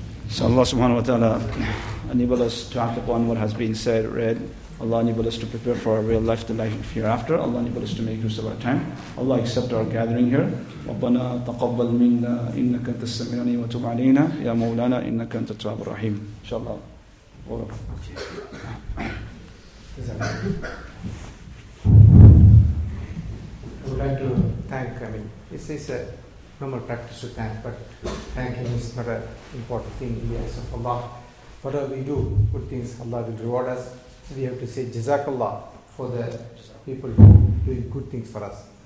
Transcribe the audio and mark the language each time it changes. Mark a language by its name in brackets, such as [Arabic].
[Arabic] صلى الله سبحانه وتعالى [English] enable us to act upon what has been said, read. Allah enable us to prepare for our real life, the life hereafter. Allah enable us to make use of our time. Allah accept our gathering here. [Arabic] رَبَّنَا تَقَبَّلْ مِنَّا إِنَّكَ أَنْتَ السَّمِيعُ الْعَلِيمُ وَتُبْ عَلَيْنَا يَا مَوْلَانَا إِنَّكَ أَنْتَ التَّوَّابُ الرَّحِيمُ InshaAllah. [English] I would like to thank, I mean, this is a normal practice to thank, but thanking is not an important thing in the eyes of Allah. Whatever we do, good things, Allah will reward us. So we have to say Jazakallah for the people who are doing good things for us.